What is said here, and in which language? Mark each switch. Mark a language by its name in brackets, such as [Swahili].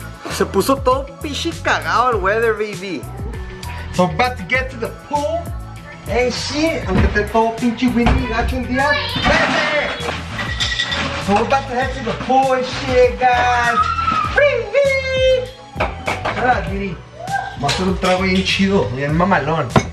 [Spanish] Se puso todo pinche cagado el [English] weather, [Spanish] baby. [English] So we're about to get to the pool. Hey shit, [Spanish] aunque esté todo pinche [English] windy [Spanish] y gacho el día. [English] So we're about to head to the pool and shit, guys. Shut up, Diddy. [Spanish] Va a hacer un trago bien chido, bien mamalón.